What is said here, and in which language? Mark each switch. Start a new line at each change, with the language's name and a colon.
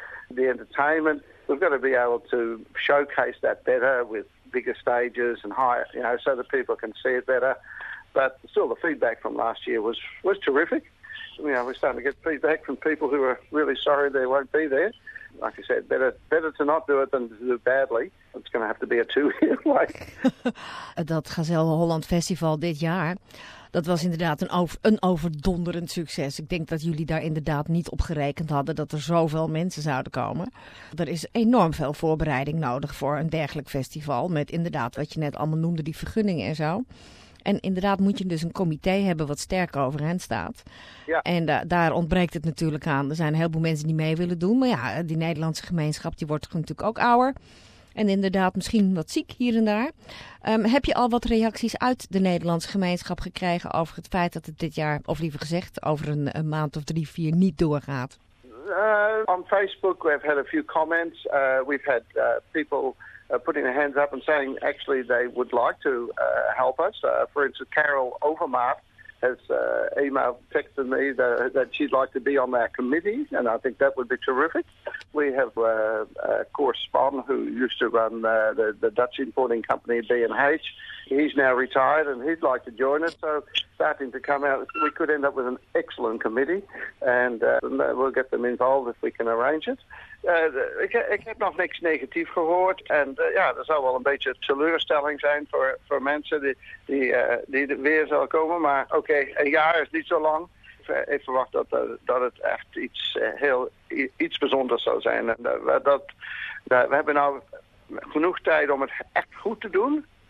English: The entertainment, we've got to be able to showcase that better with bigger stages and higher, you know, so that people can see it better. But still, the feedback from last year was terrific. You know, we're starting to get feedback from people who are really sorry they won't be there. Like I said, better to not do it than to do it badly. It's going to have to be a two-year like.
Dutch: Dat Gazelle Holland Festival dit jaar, dat was inderdaad een overdonderend succes. Ik denk dat jullie daar inderdaad niet op gerekend hadden dat er zoveel mensen zouden komen. Er is enorm veel voorbereiding nodig voor een dergelijk festival. Met inderdaad wat je net allemaal noemde, die vergunningen en zo. En inderdaad moet je dus een comité hebben wat sterk overeind staat. Ja. En daar ontbreekt het natuurlijk aan. Er zijn een heleboel mensen die mee willen doen. Maar ja, die Nederlandse gemeenschap die wordt natuurlijk ook ouder. En inderdaad misschien wat ziek hier en daar. Heb je al wat reacties uit de Nederlandse gemeenschap gekregen over het feit dat het dit jaar, of liever gezegd, over een maand of 3, 4 niet doorgaat?
English: On Facebook we've had a few comments. We've had people putting their hands up and saying actually they would like to help us. For instance, Carol Overmaat has texted me that she'd like to be on that committee, and I think that would be terrific. We have a correspondent who used to run the Dutch importing company, B&H. He's now retired, and he'd like to join us. So starting to come out, we could end up with an excellent committee, and we'll get them involved if we can arrange it.
Dutch: Ik heb nog niks negatief gehoord. En er zal wel een beetje teleurstelling zijn voor mensen die weer zullen komen. Maar oké, een jaar is niet zo lang. Ik verwacht dat het echt iets bijzonders zou zijn. En, we hebben nu genoeg tijd om het echt goed te doen.